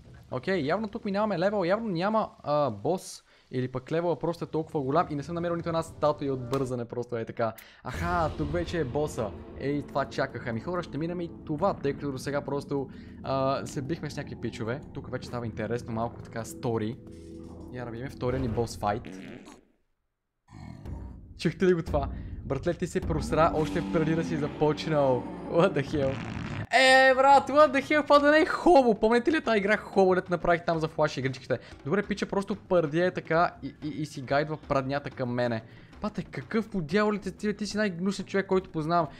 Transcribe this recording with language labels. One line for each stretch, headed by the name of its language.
Bulgarian: Окей, явно тук минаваме левел, явно няма бос или пък левела просто е толкова голям и не съм намерил нито една статуя от бързане, просто е така. Аха, тук вече е боса. Ей, това чакаха ми хора, ще минаме и това, тъй като до сега просто се бихме с някакви пичове. Тук вече става интересно, малко така стори. Я да видим втория ни бос файт. Чухте ли го това? Братле, ти се просра още преди да си започнал.
English: What the hell?
Bulgarian: Е, брат,
English: what the hell,
Bulgarian: това да не е хобо. Помните ли тази игра хобо, дето направих там за флаш игричките? Добре, пича, просто пърдия е така и си гайдва прадняте към мене. Пате, какъв по дяволите ти, ти си най-гнусен човек, който познавам.